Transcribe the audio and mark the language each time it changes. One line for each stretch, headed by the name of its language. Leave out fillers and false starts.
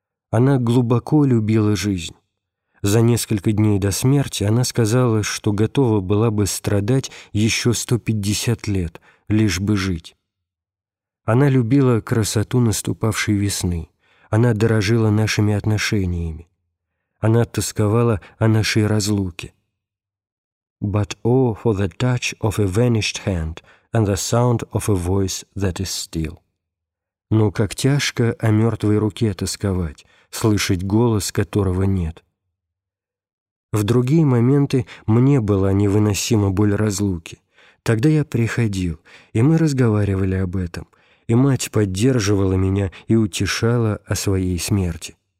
Russian: Она глубоко любила жизнь. За несколько дней до смерти она сказала, что готова была бы страдать еще 150 лет, лишь бы жить. Она любила красоту наступавшей весны. Она дорожила нашими отношениями. Она тосковала о нашей разлуке.
English: «But oh, for the touch of a vanished hand and the sound of a voice that is still».
Russian: Но как тяжко о мертвой руке тосковать, слышать голос, которого нет. В другие моменты мне была невыносима боль разлуки. Тогда я приходил, и мы разговаривали об этом, и мать поддерживала меня и утешала о своей смерти.